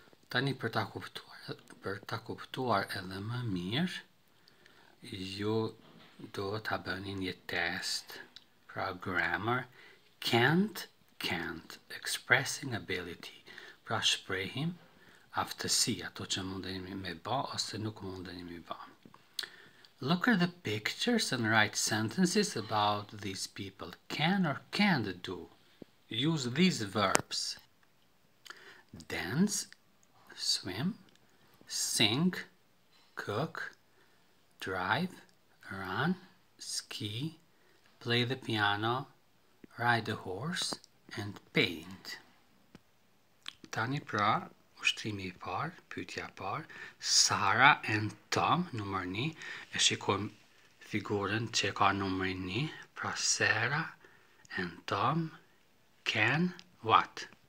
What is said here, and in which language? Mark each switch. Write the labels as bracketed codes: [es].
[sq] Tani për ta kuptuar edhe më mirë, ju do të bëni një test, pra [en] grammar, can't, expressing ability, [sq] pra shprehim, aftësi, ato që mundenim me ba, ose nuk mundenim me ba. [en] Look at the pictures and write sentences about these people. Can or can't do? Use these verbs. Dance, swim, sing, cook, drive, run, ski, play the piano, ride a horse, and paint. [sq] Tani pra... Ushtrimi I parë, pyetja e parë, Sara and Tom, numër 1, e shikojmë figurën që ka numërin 1, pra [en] Sarah and Tom can what?